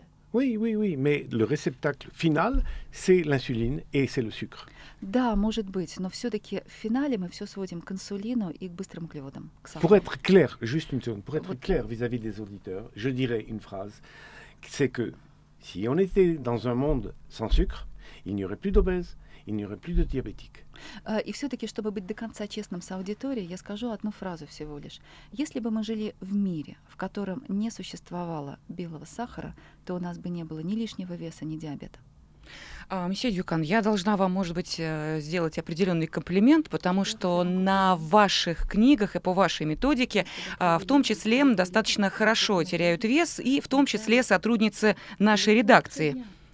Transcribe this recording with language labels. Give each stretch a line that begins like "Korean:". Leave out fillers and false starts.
French: Oui, mais le réceptacle final, c'est l'insuline et c'est le sucre.
Russian: Да, может быть, но все-таки в финале мы все сводим к инсулину и к быстрым углеводам.
French: Pour être clair, juste une seconde, pour être clair vis-à-vis des auditeurs, je dirais une phrase, c'est que si on était dans un monde sans sucre, il n'y aurait plus d'obèses, il n'y aurait plus de diabétiques.
Russian: И все-таки, чтобы быть до конца честным с аудиторией, я скажу одну фразу всего лишь. Если бы мы жили в мире, в котором не существовало белого сахара, то у нас бы не было ни лишнего веса, ни диабета. Месье Дюкан, я должна вам, может быть, сделать определенный комплимент, потому что на ваших книгах и по вашей методике в том числе достаточно хорошо теряют вес, и в том числе сотрудницы нашей редакции.